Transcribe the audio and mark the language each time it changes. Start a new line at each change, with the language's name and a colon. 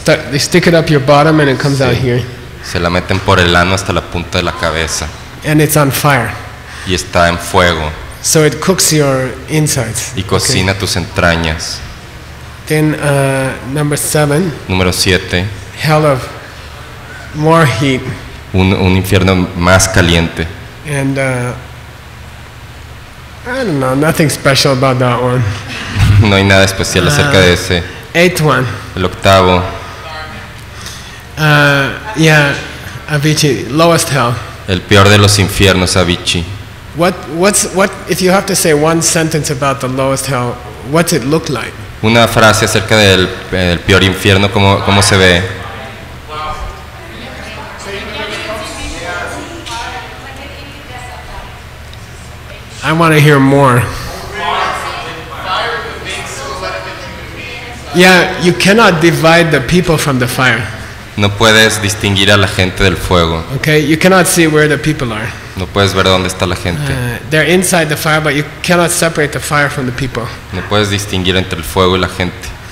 English: They stick it up your bottom and it comes out here.
Spanish: Se la meten por el ano hasta la punta de la cabeza.
English: And it's on fire.
Spanish: Y está en fuego.
English: So it cooks your insides.
Spanish: Y cocina tus entrañas.
English: Then number 7.
Spanish: Número 7.
English: Hell of more heat.
Spanish: Un infierno más caliente.
English: And I don't know, nothing special about that one.
Spanish: No hay nada especial acerca de ese.
English: Eighth one.
Spanish: El octavo.
English: Yeah, Avicii, lowest hell.
Spanish: El peor de los infiernos, Avicii.
English: What if you have to say one sentence about the lowest hell, what's it look like?
Spanish: Una frase acerca del el peor infierno, cómo se ve.
English: I want to hear more. Yeah, you cannot divide the people from the fire.
Spanish: No puedes distinguir a la gente del fuego.
English: Okay, you cannot see where the people are.
Spanish: No puedes ver dónde está la gente.
English: They're inside the fire, but you cannot separate the fire from the people.
Spanish: No puedes distinguir entre el fuego y la gente.